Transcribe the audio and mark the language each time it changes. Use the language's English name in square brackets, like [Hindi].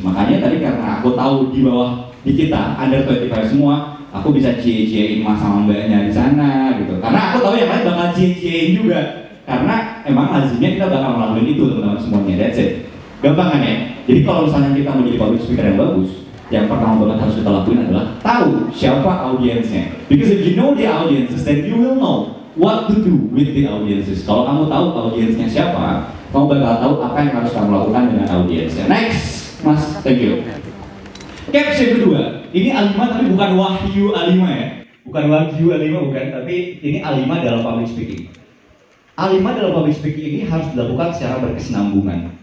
[Indonesian] Makanya tadi karena aku tahu di bawah di kita [English] under 25 [Indonesian] semua, aku bisa cie-ciein mas sama mbaknya di sana gitu. Karena aku tahu yang lain bakal cie-ciein juga. Karena emang lazimnya kita bakal melakukan itu teman-teman semuanya. [English] That's it. [Indonesian] Gampang kan ya? Jadi kalau misalnya kita mau jadi public speaker yang bagus, yang pertama banget harus kita lakuin adalah tahu siapa audiensnya. [English] Because if you know the audiences, then you will know what to do with the audiences. [Indonesian] Kalau kamu tahu audiensnya siapa, kamu bakal tahu apa yang harus kamu lakukan dengan audiensnya. [English] Next, [Indonesian] Mas, [English] thank you. [Indonesian] Caps yang kedua, ini A5 tapi bukan Wahyu A5 ya. Bukan Wahyu A5 bukan, tapi ini A5 dalam public speaking. A5 dalam public speaking ini harus dilakukan secara berkesinambungan.